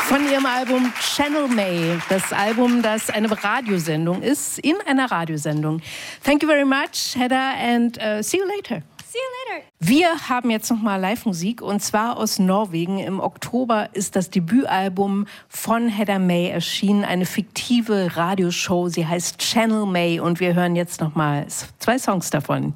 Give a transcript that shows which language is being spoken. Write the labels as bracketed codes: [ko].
[de] Ihrem Album Channel May, das Album, das eine Radiosendung ist, in einer Radiosendung. [en] Thank you very much, Hedda, and see you later. See you later. [de] Wir haben jetzt nochmal Live-Musik und zwar aus Norwegen. Im Oktober ist das Debütalbum von Hedda May erschienen, eine fiktive Radioshow. Sie heißt Channel May und wir hören jetzt nochmal zwei Songs davon.